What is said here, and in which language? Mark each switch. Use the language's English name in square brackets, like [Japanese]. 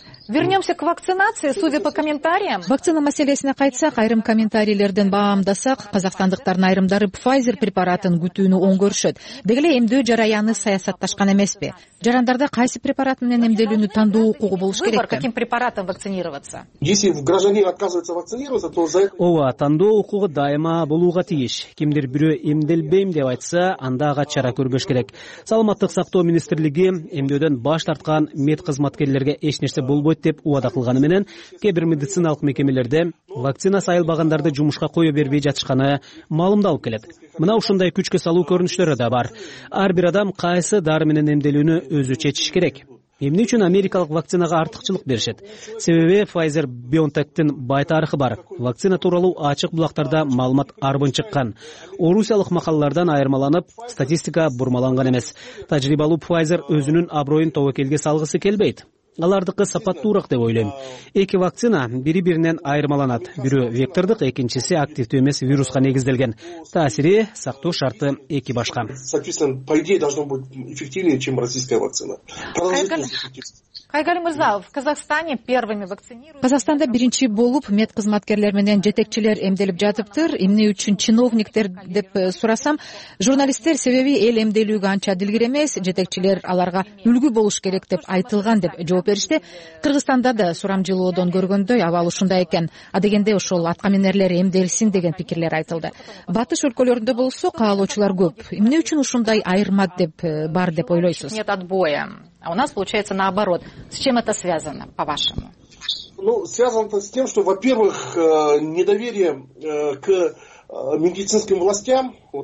[Russian] Вернемся к вакцинации, судя по комментариям. [Kyrgyz] Вакцина маселесине кайтсак, айрым комментарийлерден баамдасак, казакстандыктардын айрымдары Pfizer препаратын күтүүнү оң көрүшөт. Деги эле эмдөө жараяны саясатташкан эмеспи? Жарандарда кайсы препарат менен эмделүүнү тандоо укугу болуш керек? [Russian] Выбор, каким препаратом вакцинироваться? Если гражданин отказывается вакцинироваться, то за это... [Kyrgyz] Ова, тандоо укугу дайыма болууга тийиш. Кимдир бирөө эмделбейм деп айтса, анда ага чара көрбөш керек. Саламаттык сактоо министрлиги эмдөөдөн баш тарткан медкызматкерлерге эч нерсе болбойт деп убада кылганы менен, кээ бир медициналык мекемелерде вакцина сайылбагандарды жумушка кое бербей жатышканы маалымдалып келет. Мына ушундай күчкө салуу көрүнүштөрү да бар. Ар бир адам кайсы дары менен эмделүүнү өзү чечиш керек. Эмне үчүн америкалык вакцинага артыкчылык беришет? Себеби Pfizer BioNTech'тин бай тарыхы бар. Вакцина тууралуу ачык булактарда маалымат арбын чыккан. Орусиялык макалалардан айырмаланып, статистика бурмаланган эмес. Тажрыйбалуу Pfizer өзүнүн аброюн тобокелге салгысы келбейт. Алардыкы сапаттуурак деп ойлойм. Эки вакцина бири биринен айырмаланат. Бирөө вектордук, экинчиси активдүү эмес вируска негизделген. Таасири, сактоо шарты эки башка. [Russian] Соответственно, по идее должно быть эффективнее, чем российская вакцина. Кайгали Мырза, в Казахстане первыми вакцинируют. [Kyrgyz] Казахстанда биринчи болуп медкызматкерлер менен жетекчилер эмделип жатыптыр. Эмне үчүн чиновниктер деп сурасам, журналисттер себеби эл эмделүүгө анча дилгир эмес, жетекчилер аларга үлгү болуш керек деп айтылган деп жооп беришти. Кыргызстанда да сурамжылоодон көргөндөй абал ушундай экен. А дегенде ошол аткаминерлер эмделсин деген пикирлер айтылды. Батыш өлкөлөрүндө болсо каалоочулар көп. Эмне үчүн ушундай айырма деп бар деп ойлойсуз? [Russian] Нет отбоя. А у нас получается наоборот. С чем это связано, по-вашему? Ну, связано это с тем, что, во-первых, недоверие к медицинским властям.